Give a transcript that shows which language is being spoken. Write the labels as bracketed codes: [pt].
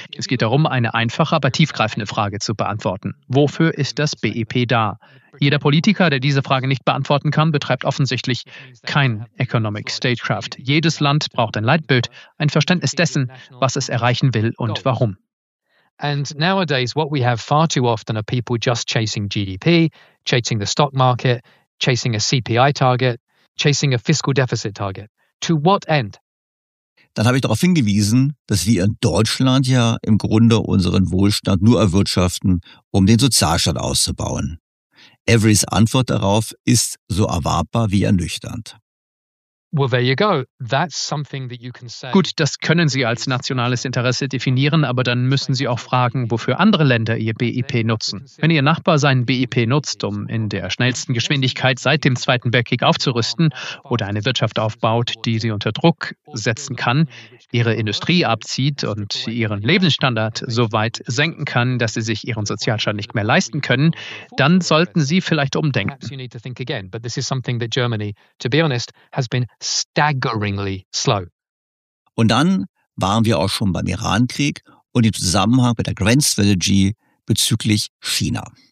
[de] Es geht darum, eine einfache, aber tiefgreifende Frage zu beantworten. Wofür ist das BEP da? Jeder Politiker, der diese Frage nicht beantworten kann, betreibt offensichtlich kein Economic Statecraft. Jedes Land braucht ein Leitbild, ein Verständnis dessen, was es erreichen will und warum. [en] And nowadays, what we have far too often are people just chasing GDP, chasing the stock market, chasing a CPI target, chasing a fiscal deficit target. To what end? [de] Dann habe ich darauf hingewiesen, dass wir in Deutschland ja im Grunde unseren Wohlstand nur erwirtschaften, um den Sozialstaat auszubauen. Averys Antwort darauf ist so erwartbar wie ernüchternd. [en] Well, there you go. That's something that you can say. [de] Gut, das können Sie als nationales Interesse definieren, aber dann müssen Sie auch fragen, wofür andere Länder Ihr BIP nutzen. Wenn Ihr Nachbar seinen BIP nutzt, um in der schnellsten Geschwindigkeit seit dem Zweiten Weltkrieg aufzurüsten oder eine Wirtschaft aufbaut, die Sie unter Druck setzen kann, Ihre Industrie abzieht und Ihren Lebensstandard so weit senken kann, dass Sie sich Ihren Sozialstaat nicht mehr leisten können, dann sollten Sie vielleicht umdenken. [en] But this is something that Germany, to be honest, has been staggeringly slow. [de] Und dann waren wir auch schon beim Iran-Krieg und im Zusammenhang mit der Grand Strategy bezüglich China.